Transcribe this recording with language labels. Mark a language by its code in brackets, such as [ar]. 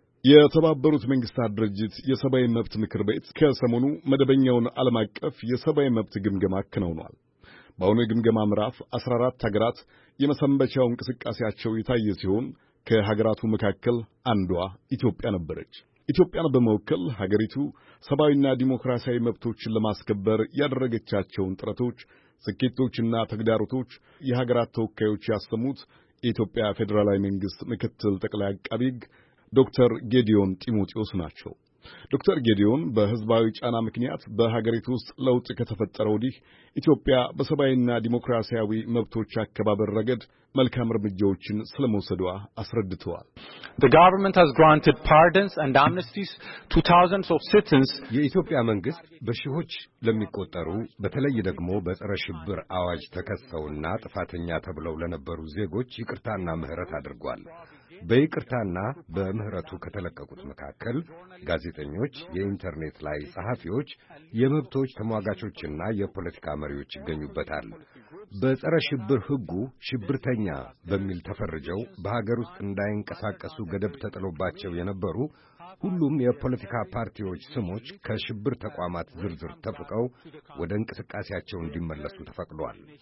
[am] የተባበሩት መንግስታት ድርጅት የሰብአዊ መብት ምክር ቤት ከሰሞኑ መደበኛውን ዓለም አቀፍ የሰብአዊ መብት ግምገማ አከናውኗል። በአሁኑ ግምገማ ምዕራፍ 14 ሀገራት የመሰንበቻው እንቅስቃሴያቸው የታየ ሲሆን ከሀገራቱ መካከል አንዷ ኢትዮጵያ ነበረች። ኢትዮጵያን በመወከል ሀገሪቱ ሰብአዊና ዲሞክራሲያዊ መብቶችን ለማስከበር ያደረገቻቸውን ጥረቶች፣ ስኬቶችና ተግዳሮቶች የሀገራት ተወካዮች ያሰሙት የኢትዮጵያ ፌዴራላዊ መንግስት ምክትል ጠቅላይ አቃቤ ሕግ ዶክተር ጌዲዮን ጢሞቴዎስ ናቸው። ዶክተር ጌዲዮን በህዝባዊ ጫና ምክንያት በሀገሪቱ ውስጥ ለውጥ ከተፈጠረው ወዲህ ኢትዮጵያ በሰብአዊና ዲሞክራሲያዊ መብቶች አከባበር ረገድ መልካም እርምጃዎችን ስለመውሰዷ አስረድተዋል። [en] The government has granted pardons and amnesties to thousands of citizens. [am] የኢትዮጵያ መንግስት በሺዎች ለሚቆጠሩ በተለይ ደግሞ በጸረ ሽብር አዋጅ ተከሰውና ጥፋተኛ ተብለው ለነበሩ ዜጎች ይቅርታና ምህረት አድርጓል። በይቅርታና በምህረቱ ከተለቀቁት መካከል ጋዜጠኞች፣ የኢንተርኔት ላይ ጸሐፊዎች፣ የመብቶች ተሟጋቾችና የፖለቲካ መሪዎች ይገኙበታል። በጸረ ሽብር ሕጉ ሽብርተኛ በሚል ተፈርጀው በሀገር ውስጥ እንዳይንቀሳቀሱ ገደብ ተጥሎባቸው የነበሩ ሁሉም የፖለቲካ ፓርቲዎች ስሞች ከሽብር ተቋማት ዝርዝር ተፍቀው ወደ እንቅስቃሴያቸው እንዲመለሱ ተፈቅዷል።